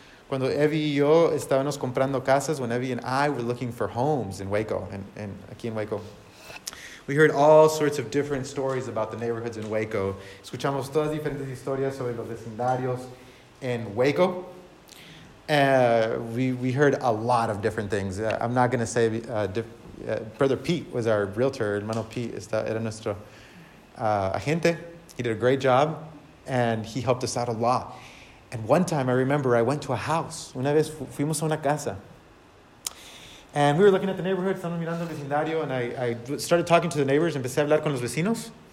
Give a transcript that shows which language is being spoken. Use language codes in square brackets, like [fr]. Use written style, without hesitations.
[es] Cuando Evie y yo estábamos comprando casas, [en] when Evie and I were looking for homes in Waco, and [es] aquí en Waco, [en] we heard all sorts of different stories about the neighborhoods in Waco. [es] Escuchamos todas diferentes historias sobre los vecindarios en Waco. [en] We heard a lot of different things. I'm not going to say, Brother Pete was our realtor, [es] hermano Pete era nuestro agente. [en] He did a great job, and he helped us out a lot. And one time, I remember, I went to a house. [es] Una vez fuimos a una casa. [en] And we were looking at the neighborhood, [es] estamos mirando el vecindario, [en] and I started talking to the neighbors, [es] empecé a hablar con los vecinos.